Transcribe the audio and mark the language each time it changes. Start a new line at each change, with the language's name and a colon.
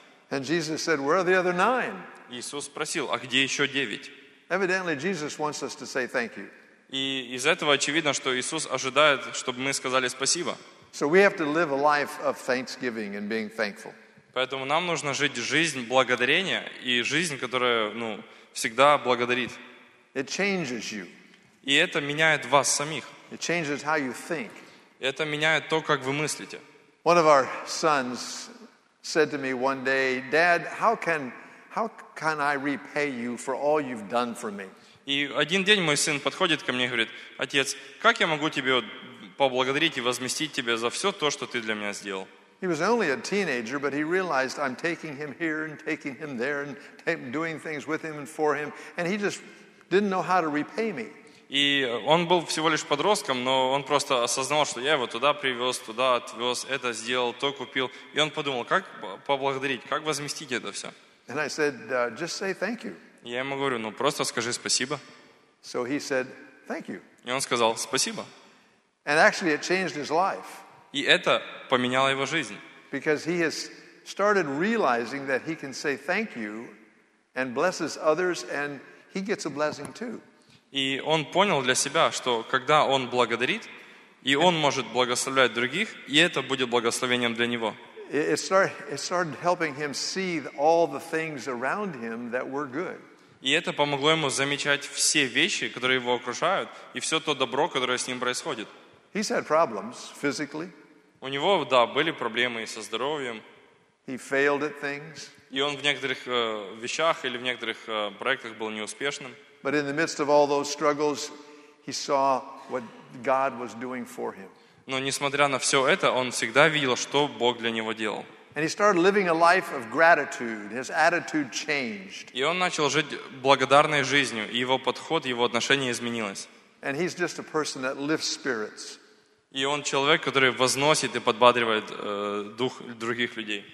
English: And Jesus said, "Where are the other 9?"
Russian: Иисус спросил: "А где еще 9?"
English: Evidently, Jesus wants us to say thank you.
Russian: И из этого очевидно, что Иисус ожидает, чтобы мы сказали спасибо.
English: So we have to live a life of thanksgiving and being thankful.
Russian: Поэтому нам нужно жить жизнь благодарения и жизнь, которая, ну, всегда благодарит.
English: It changes you.
Russian: И это меняет вас самих.
English: It changes how you think.
Russian: Это меняет то, как вы мыслите.
English: One of our sons said to me one day, "Dad, how can I repay you for all you've done for me?"
Russian: И один день мой сын подходит ко мне и говорит: "Отец, как я могу тебе поблагодарить и возместить тебе за все то, что ты для меня сделал?"
English: He was only a teenager, but he realized I'm taking him here and taking him there and doing things with him and for him, and he just didn't know how to repay me.
Russian: И он был всего лишь подростком, но он просто осознал, что я его туда привез, туда отвез, это сделал, то купил. И он подумал, как поблагодарить, как возместить это все.
English: And I said, "Just say thank you."
Russian: Я ему говорю: "Ну, просто скажи спасибо."
English: So he said, "Thank you."
Russian: И он сказал: "Спасибо."
English: And actually it changed his life.
Russian: И это поменяло его жизнь.
English: Because he has started realizing that he can say thank you and blesses others and he gets a blessing too.
Russian: И он понял для себя, что когда он благодарит, и он может благословлять других, и это будет благословением для него.
English: It started helping him see all the things around him that were good.
Russian: И это помогло ему замечать все вещи, которые его окружают, и все то добро, которое с ним происходит.
English: He's had problems physically.
Russian: У него, да, были проблемы со здоровьем.
English: He failed at things.
Russian: И он в некоторых вещах или в некоторых проектах был неуспешным.
English: But in the midst of all those struggles, he saw what God was doing for him.
Russian: Но несмотря на все это, он всегда видел, что Бог для него делал.
English: And he started living a life of gratitude. His attitude changed.
Russian: И он начал жить благодарной жизнью, и его подход, его отношение изменилось.
English: And he's just a person that lifts spirits.
Russian: И он человек, который возносит и подбадривает дух других людей.